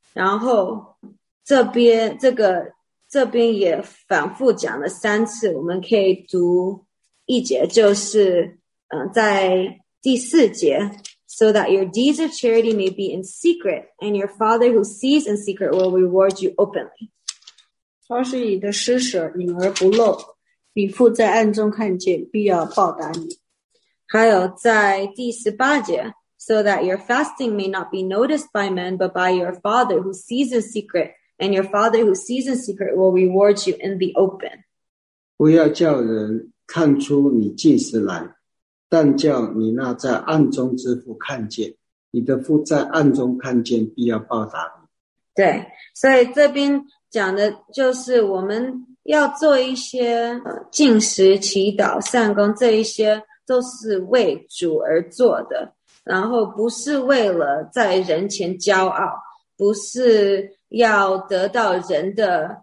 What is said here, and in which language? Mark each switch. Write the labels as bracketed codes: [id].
[zh] 然后这边也反复讲了三次，我们可以读一节，就是在第4节， [en] So that your deeds of charity may be in secret, and your Father who sees in secret will reward you openly. [zh] 他是你的施舍隐而不露，你父在暗中看见必要报答你。还有在第18节， [en] So that your fasting may not be noticed by men, but by your Father who sees in secret, and your Father who sees in secret will reward you in the open. [zh] 不要叫人看出你进食来，但叫你那在暗中之父看见，你的父在暗中看见必要报答你。对，所以这边讲的就是我们要做一些禁食祈祷善功，这一些都是为主而做的，然后不是为了在人前骄傲，不是要得到人的